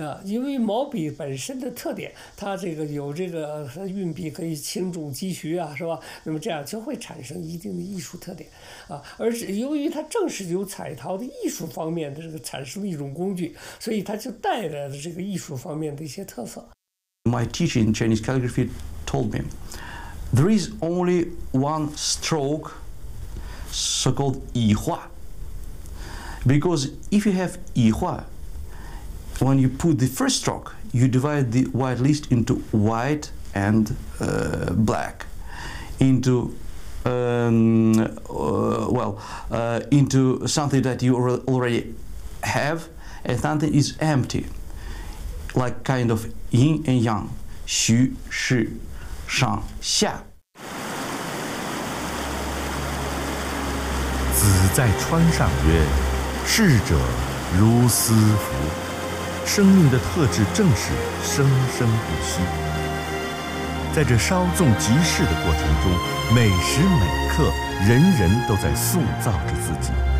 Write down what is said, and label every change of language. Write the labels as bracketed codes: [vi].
[zh] 因为毛笔本身的特点，它这个有这个运笔可以轻重积徐啊，是吧？那么这样就会产生一定的艺术特点啊。而是由于它正是由彩陶的艺术方面的这个产生的一种工具，所以它就带来了这个艺术方面的一些特色。 [en] My teacher in Chinese calligraphy told me, There is only one stroke, so-called 乙化. Because if you have 乙化, when you put the first stroke, you divide the white list into white and black, into into something that you already have, and something is empty, like kind of yin and yang, 虚实上下。 [zh] 子在川上曰：“逝者如斯夫。” 生命的特质正是生生不息。在这稍纵即逝的过程中，每时每刻，人人都在塑造着自己。